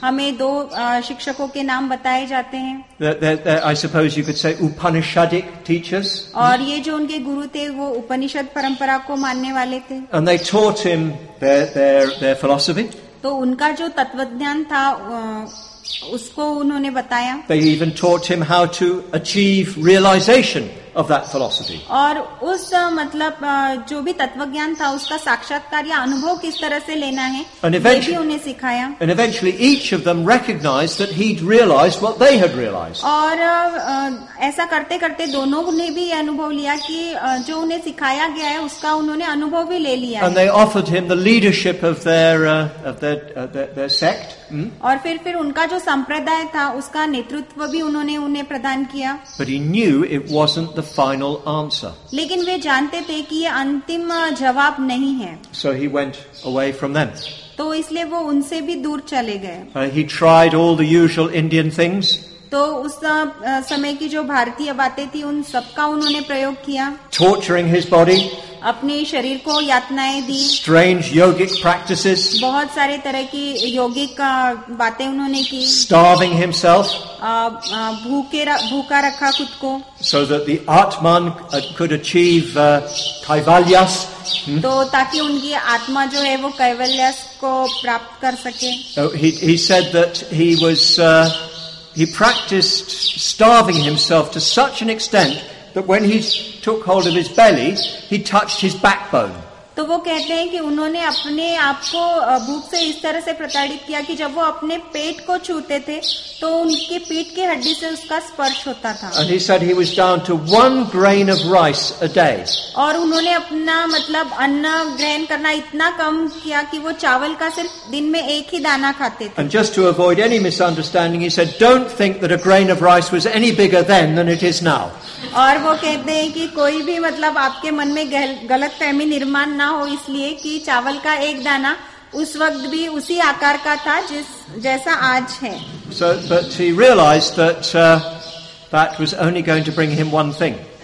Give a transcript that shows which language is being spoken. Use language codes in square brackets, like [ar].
[hi] हमें दो शिक्षकों के नाम बताए जाते हैं [en] I suppose you could say Upanishadic teachers. [hi] और ये जो उनके गुरु थे वो उपनिषद परंपरा को मानने वाले थे [en] And they taught him their philosophy. [hi] तो उनका जो तत्वज्ञान था उसको उन्होंने बताया [en] They even taught him how to achieve realization of that philosophy. [hi] और उस मतलब जो भी तत्वज्ञान था उसका साक्षात्कार या अनुभव किस तरह से लेना है ये भी उन्हें सिखाया. [en] And eventually each of them recognized that he'd realized what they had realized. [hi] और ऐसा करते करते दोनों ने भी यह अनुभव लिया कि जो उन्हें सिखाया गया है उसका उन्होंने अनुभव भी ले लिया. [en] And they offered him the leadership of their sect. [hi] और फिर उनका जो संप्रदाय था उसका नेतृत्व भी उन्होंने उन्हें प्रदान किया. [en] But he knew it wasn't the final answer. [hi] लेकिन वे जानते थे कि ये अंतिम जवाब नहीं है. [en] So he went away from them. [hi] तो इसलिए वो उनसे भी दूर चले गए. [en] He tried all the usual Indian things. [hi] तो उस समय की जो भारतीय बातें थी उन सबका उन्होंने प्रयोग किया. [en] Torturing his body. [hi] अपने शरीर को यातनाएं दी. [en] Strange yogic practices. [hi] बहुत सारे तरह की योगिक बातें उन्होंने की. [en] Starving himself. [hi] भूखा रखा खुद को. [en] So that the Atman could achieve Kaivalyas. [hi] तो ताकि उनकी आत्मा जो है वो कैवल्यस को प्राप्त कर सके. [en] He said that he was he practiced starving himself to such an extent that when he took hold of his belly, he touched his backbone. [hi] तो वो कहते हैं कि उन्होंने अपने आप को भूख से इस तरह से प्रताड़ित किया कि जब वो अपने पेट को छूते थे तो उनके पेट के हड्डी से उसका स्पर्श होता था. [en] And he said he was down to one grain of rice a day. [hi] और उन्होंने अपना मतलब अन्न ग्रहण करना इतना कम किया कि वो चावल का सिर्फ दिन में एक ही दाना खाते थे. [en] And just to avoid any misunderstanding, he said, "Don't think that a grain of rice was any bigger then than it is now." [hi] और वो कहते हैं कि कोई भी मतलब आपके मन में गलतफहमी निर्माण ना हो इसलिए कि चावल का एक दाना उस वक्त भी उसी आकार का था जैसा आज है. [en] So, but he realized that was only going to bring him one thing.